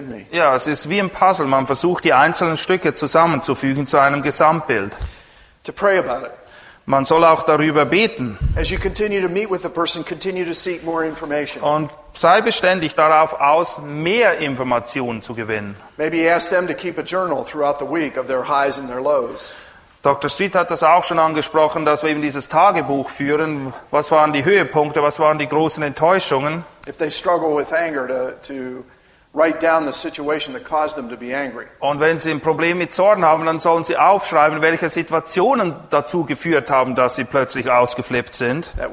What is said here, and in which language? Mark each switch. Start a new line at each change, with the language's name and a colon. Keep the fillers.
German: ja, es ist wie ein Puzzle. Man versucht, die einzelnen Stücke zusammenzufügen zu einem Gesamtbild. Man soll auch darüber beten. Person, und Sei beständig darauf aus, mehr Informationen zu gewinnen.
English: Maybe ask them to keep a journal throughout the week of their highs and their lows.
German: Dr. Street hat das auch schon angesprochen, dass wir eben dieses Tagebuch führen. Was waren die Höhepunkte? Was waren die großen Enttäuschungen?
English: If they struggle with anger to, to und
German: wenn sie ein Problem mit Zorn haben, dann sollen sie aufschreiben, welche Situationen dazu geführt haben, dass sie plötzlich ausgeflippt sind.